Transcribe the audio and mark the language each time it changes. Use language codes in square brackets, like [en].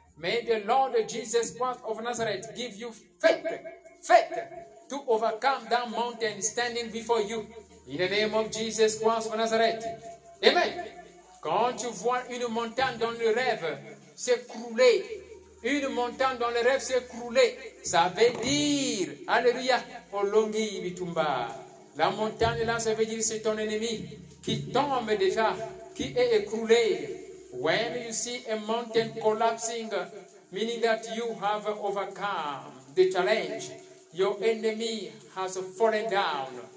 [en] May the Lord Jesus Christ of Nazareth give you faith. Faith to overcome that mountain standing before you. In the name of Jesus Christ of Nazareth. Amen. [fr] Quand tu vois une montagne dans le rêve s'écrouler, une montagne dans le rêve s'écrouler, ça veut dire, alléluia, Olongi Bitumba. La montagne là, ça veut dire c'est ton ennemi qui tombe déjà, qui est écroulé. [en] When you see a mountain collapsing, meaning that you have overcome the challenge, your enemy has fallen down.